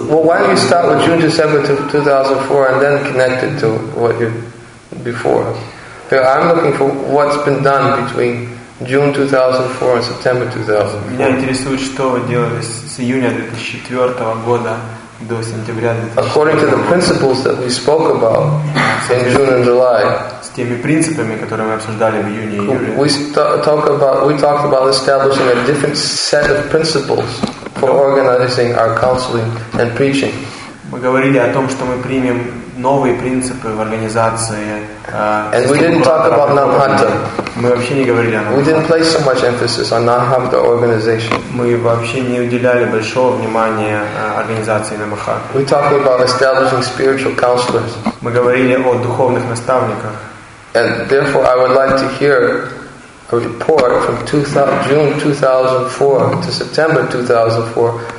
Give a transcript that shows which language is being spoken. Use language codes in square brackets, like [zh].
[en] Well, why don't you start with June to September 2004 and then connect it to what you before? I'm looking for what's been done between June 2004 and September 2004. According to the principles that we spoke about in June and July, [ru] с теми принципами, которые мы обсуждали в июне и июле, [en] we talked about establishing a different set of principles for organizing our counseling and preaching. [ru] Мы говорили о том, что мы примем новые принципы в организации. [en] And we didn't talk about Namhata. [ru] Мы вообще не говорили о Namhata. [en] We didn't place so much emphasis on Namhata organization. [ru] Мы вообще не уделяли большого внимания организации Namhata. [en] We talked about establishing spiritual counselors. [ru] Мы говорили о духовных наставниках. [en] And therefore, I would like to hear a report from June 2004 to September 2004.